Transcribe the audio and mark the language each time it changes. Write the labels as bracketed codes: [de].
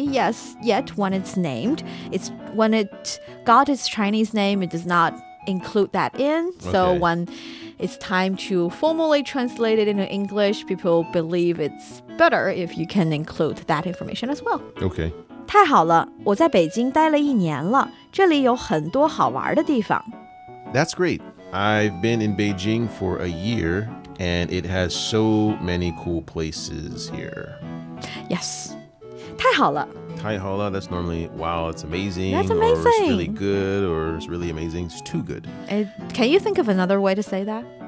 [en] Yes, yet when it's named, it's when it got its Chinese name, it does not include that in. Okay. So when it's time to formally translate it into English, people believe it's better if you can include that information as well. Okay. [zh] 太好了，我在北京待了一年了，这里有很多好玩的地方。 [en] That's great. I've been in Beijing for a year, and it has so many cool places here. Yes. [zh] 太好了。太好了, [en] that's normally, wow, it's amazing. That's amazing. Or it's really good, or it's really amazing. It's too good. Can you think of another way to say that?